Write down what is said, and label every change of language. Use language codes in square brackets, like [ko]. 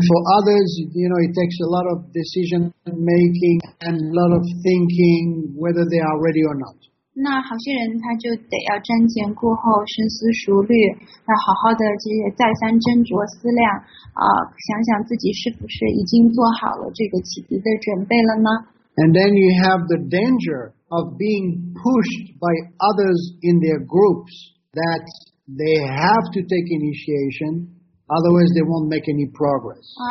[en] for others, you know, it takes a lot of decision making and a lot of thinking whether they are ready or not. [zh] 那好些人他就得要瞻前顾后，深思熟虑，要好好的这些再三斟酌思量，想想自己是不是已经做好了这个洗涤的准备了呢？ [en] And then you have the danger of being pushed by others in their groups that they have to take initiation, otherwise they won't make any progress.